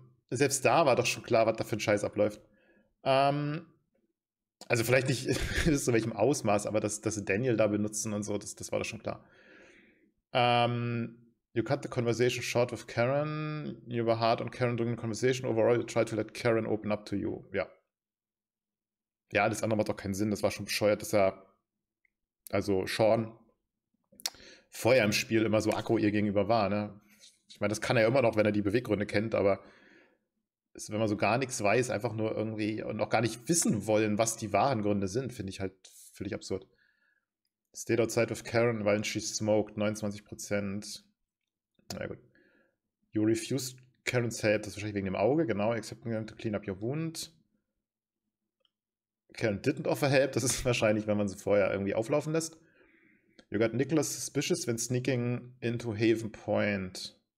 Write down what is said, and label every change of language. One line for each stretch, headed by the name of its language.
German: Selbst da war doch schon klar, was da für ein Scheiß abläuft. Also vielleicht nicht zu welchem Ausmaß, aber dass Daniel da benutzen und so, das war doch schon klar.
English: You cut the conversation short with Karen. You were hard on Karen during the conversation. Overall, you tried to let Karen open up to you.
German: Ja. Ja, alles andere macht doch keinen Sinn. Das war schon bescheuert, dass er, also Sean, vorher im Spiel immer so aggro ihr gegenüber war. Ne? Ich meine, das kann er immer noch, wenn er die Beweggründe kennt, aber wenn man so gar nichts weiß, einfach nur irgendwie und auch gar nicht wissen wollen, was die wahren Gründe sind, finde ich halt völlig absurd.
English: Stayed outside with Karen while she smoked, 29%.
German: Na gut.
English: You refused Karen's help,
German: das ist wahrscheinlich wegen dem Auge, genau.
English: Accepting them to clean up your wound. Karen didn't offer help,
German: das ist wahrscheinlich, wenn man sie vorher irgendwie auflaufen lässt.
English: You got Nicholas suspicious when sneaking into Haven Point.